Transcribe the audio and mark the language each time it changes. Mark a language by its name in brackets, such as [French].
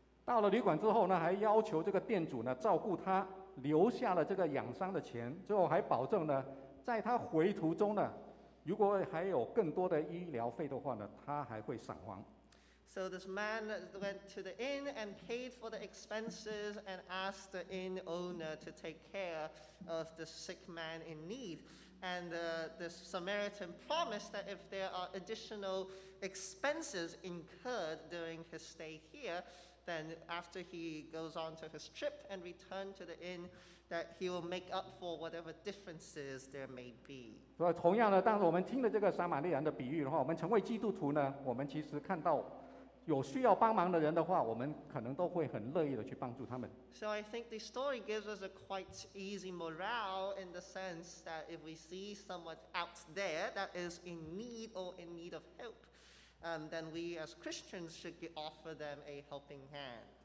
[Chinese] 到了旅馆之后呢，还要求这个店主呢照顾他，留下了这个养伤的钱，最后还保证呢，在他回途中呢，如果还有更多的医疗费的话呢，他还会赏还。 [English] So this man went to the inn and paid for the expenses and asked the inn owner to take care of the sick man in need. And the Samaritan promised that if there are additional expenses incurred during his stay here, then after he goes on to his trip and return to the inn, that he will make up for whatever differences there may be. [Chinese] 同样的，当我们听了这个撒玛利亚人的比喻的话，我们成为基督徒呢，我们其实看到。有需要帮忙的人的话，我们可能都会很乐意的去帮助他们。So [English] I think the story gives us a quite easy morale in the sense that if we see someone out there that is in need or in need of help, then we as Christians should offer them a helping hand.